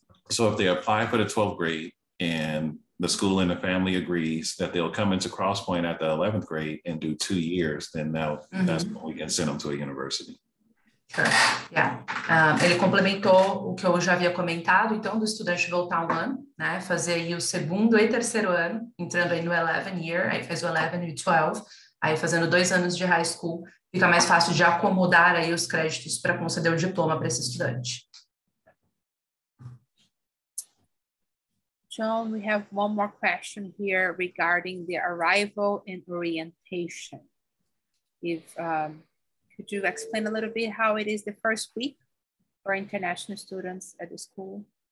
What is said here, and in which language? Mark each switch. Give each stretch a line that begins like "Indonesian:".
English: So if they apply for the 12th grade and the school and the family agrees that they'll come into Crosspoint at the 11th grade and do 2 years, then that's when we can send them to a university. Sure. Yeah.
Portuguese: Ele complementou o que eu já havia comentado, então, do estudante voltar um ano, né, fazer aí o segundo e terceiro ano, entrando aí no 11th year, aí faz o 11 e o 12, aí fazendo 2 anos de high school, fica mais fácil de acomodar aí os créditos para conceder o diploma para esse estudante.
English: John, we have one more question here regarding the arrival and orientation. Could you explain a little bit how it is the first week for international students at the school?